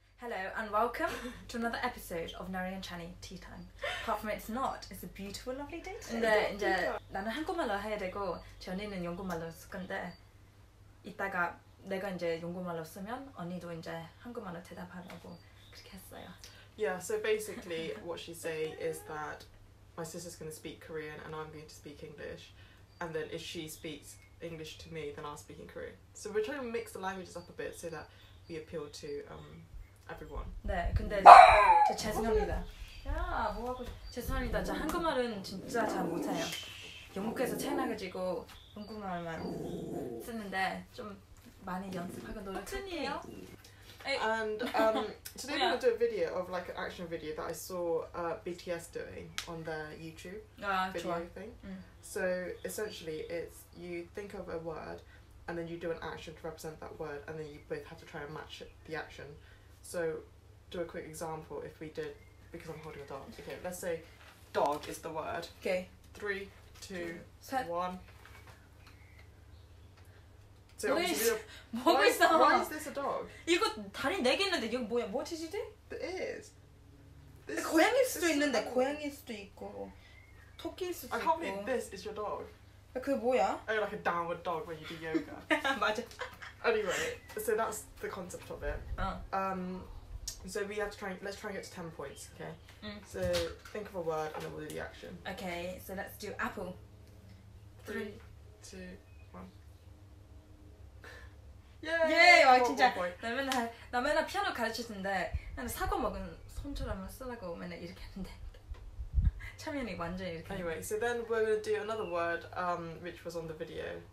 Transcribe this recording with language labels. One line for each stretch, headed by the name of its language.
English: Hello and welcome to another episode of Nari and Channy Tea Time. Apart from it's not, it's a beautiful, lovely day today.
Korean: 근데 이제 나는 한국말로 해야 되고 전이는 영국말로 쓸 건데 이따가 내가 이제 영국말로 쓰면 언니도 이제 한국말로 대답하라고 그렇게 했어요.
English: Yeah, so basically what she's saying is that my sister's going to speak Korean and I'm going to speak English, and then if she speaks English to me, then I'll speak in Korean. So we're trying to mix the languages up a bit so that we appeal to everyone.
Korean: 네, 근데 저 죄송합니다. 야, 뭐하고 죄송합니다. 저 한국말은 진짜 잘 못해요. 영국에서 태어나가지고 한국말만 쓰는데 좀 많이 연습하고 노력할게요.
English: And today we're gonna do a video of like an action video that I saw BTS doing on their YouTube video
Korean: 좋아.
English: thing. So essentially it's you think of a word and then you do an action to represent that word, and then you both have to try and match the action. So do a quick example. If we did, because I'm holding a dog, okay, let's say dog is the word. Okay, 3, 2, 1. So what is this? Why is this a dog?
Korean: 이거 다리 네 개 있는데 이거 뭐야?
English: What is it? The ears.
Korean: 고양이일 수도 있는데 고양이일 수도 있고 토끼일 수도 있고.
English: I can't believe this is your dog.
Korean: 그게 뭐야?
English: Oh, like a downward dog when you do yoga.
Korean: 맞아.
English: Anyway, so that's the concept of it. So we have to try. Let's try and get to 10 points, okay? So think of a word and then we'll do the action. Okay, so let's do apple. 3, 2. Yay!
Korean: Yeah, 와 진짜 나 맨날 피아노 가르치는데 나는 사과 먹은 손처럼만 쓰라고 맨날 이렇게 했는데 차면이 완전 이렇게.
English: Anyway, so then we're gonna do another word, which was on the video.